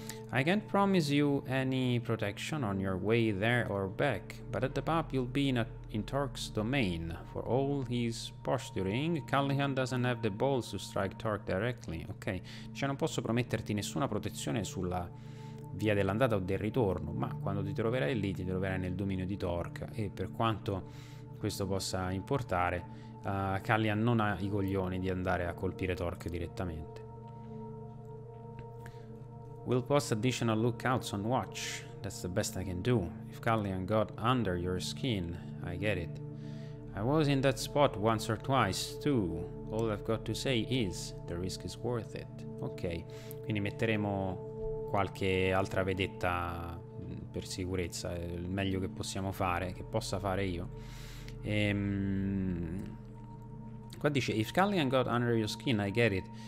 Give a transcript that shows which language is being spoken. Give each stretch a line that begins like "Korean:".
English: I can't promise you any protection on your way there or back, but at the pub you'll be in Torque's domain. For all his posturing, Callihan doesn't have the balls to strike Torque directly.
Italian: Ok, cioè non posso prometterti nessuna protezione sulla via dell'andata o del ritorno, ma quando ti troverai lì ti troverai nel dominio di Torque, e per quanto questo possa importare, Callihan non ha i coglioni di andare a colpire Torque direttamente.
English: We'll post additional lookouts on watch. That's the best I can do. If Callihan got under your skin, I get it. I was in that spot once or twice, too. All I've got to say is the risk is worth it.
Italian: Ok, quindi metteremo qualche altra vedetta per sicurezza, il meglio che possiamo fare, che possa fare io. Qua dice,
English: if Callihan got under your skin, I get it.